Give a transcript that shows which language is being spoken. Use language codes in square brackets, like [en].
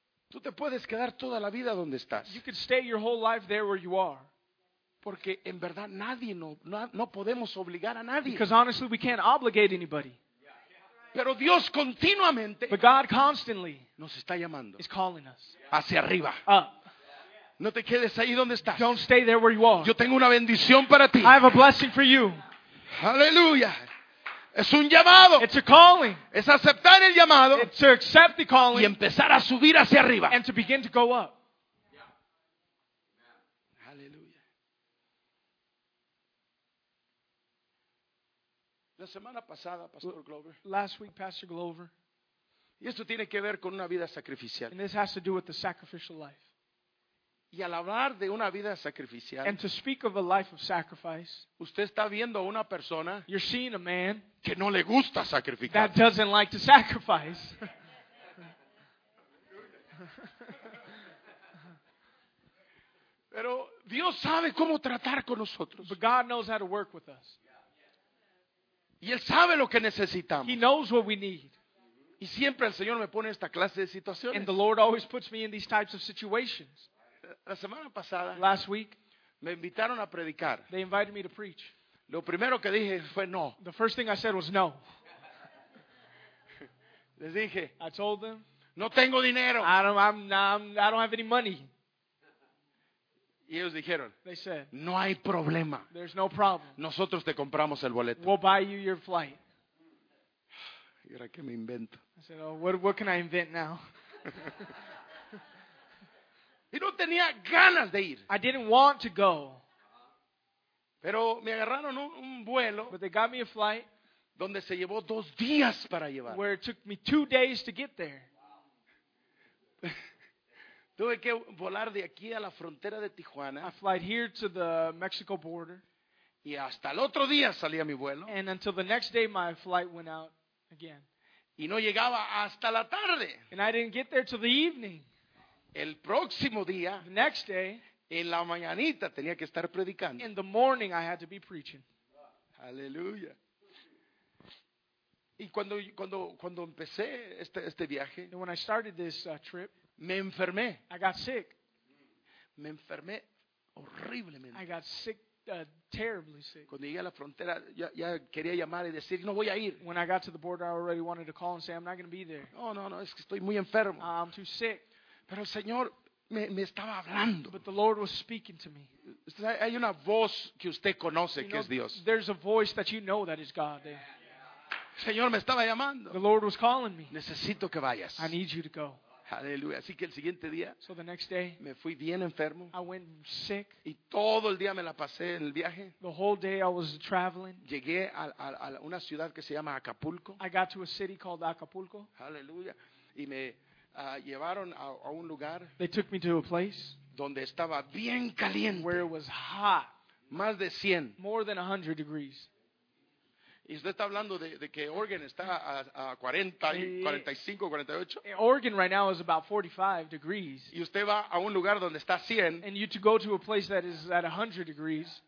[es] Tú te puedes quedar toda la vida donde estás. [en] You could stay your whole life there where you are. [es] Porque en verdad nadie, no podemos obligar a nadie. [en] Because honestly, we can't obligate anybody. [es] Pero Dios continuamente, [en] but God constantly, [es] nos está llamando, [en] is calling us, [es] hacia arriba, [en] up. [es] No te quedes ahí donde estás. [en] Don't stay there where you are. [es] Yo tengo una bendición para ti. [en] I have a blessing for you. [es] Aleluya. Es un llamado. [en] It's a calling. [es] Es aceptar el llamado. [en] It's to accept the calling. [es] Y empezar a subir hacia arriba. [en] And to begin to go up. [es] Aleluya. La semana pasada, Pastor Glover. [en] Last week, Pastor Glover. [es] Y esto tiene que ver con una vida sacrificial. [en] And this has to do with the sacrificial life. [es] Y al hablar de una vida sacrificial, [en] and to speak of a life of sacrifice, [es] usted está viendo a una persona, [en] you're seeing a man, [es] que no le gusta sacrificar, [en] that doesn't like to sacrifice. [es] Pero Dios sabe cómo tratar con nosotros. [en] But God knows how to work with us. [es] Y Él sabe lo que necesitamos. [en] He knows what we need. [es] Y siempre el Señor me pone esta clase de situaciones. [en] And the Lord always puts me in these types of situations. [es] La semana pasada, [en] last week, [es] me invitaron a predicar. [en] They invited me to preach. [es] Lo primero que dije fue no. [en] The first thing I said was no. [es] Les dije, [en] I told them, [es] no tengo dinero. [en] I don't have any money. [es] Y ellos dijeron, [en] they said, [es] no hay problema. [en] There's no problem. [es] Nosotros te compramos el boleto. [en] We'll buy you your flight. [es] ¿Y ahora qué me invento? [en] I said, oh, what can I invent now? [es] Y no tenía ganas de ir. [en] I didn't want to go. [es] Pero me agarraron un vuelo. [en] But they got me a flight. [es] Donde se llevó dos días para llevar. [en] Where it took me 2 days to get there. Wow. [es] Tuve que volar de aquí a la frontera de Tijuana. [en] I flew here to the Mexico border. [es] Y hasta el otro día salía mi vuelo. [en] And until the next day my flight went out again. [es] Y no llegaba hasta la tarde. [en] And I didn't get there till the evening. [es] El próximo día, [en] the next day, [es] en la mañanita tenía que estar predicando. [en] In the morning I had to be preaching. [es] Aleluya. Y cuando empecé este viaje, [en] and when I started this trip, [es] me enfermé. [en] I got sick. [es] Me enfermé horriblemente. [en] I got sick, terribly sick. [es] Cuando llegué a la frontera, ya quería llamar y decir, no voy a ir. [en] When I got to the border, I already wanted to call and say, I'm not going to be there. [es] No, es que estoy muy enfermo. [en] I'm too sick. [es] Pero el Señor me estaba hablando. [en] But the Lord was speaking to me. [es] Hay una voz que usted conoce, [en] you know, [es] que es Dios. [en] There's a voice that you know that is God. Yeah. [es] El Señor me estaba llamando. [en] The Lord was calling me. [es] Necesito que vayas. [en] I need you to go. [es] Aleluya. Así que el siguiente día, [en] so the next day, [es] me fui bien enfermo. [en] I went sick. [es] Y todo el día me la pasé en el viaje. [en] The whole day I was traveling. [es] Llegué a una ciudad que se llama Acapulco. [en] I got to a city called Acapulco. [es] Aleluya. Y me llevaron a un lugar, [en] they took me to a place [es] donde estaba bien caliente, [en] where it was hot, [es] más de 100, [en] more than 100 degrees. [es] Y usted está hablando de que Oregon está a 40, 45, 48. [en] Oregon right now is about 45 degrees. [es] Y usted va a un lugar donde está 100. [en] And you to go to a place that is at 100 degrees.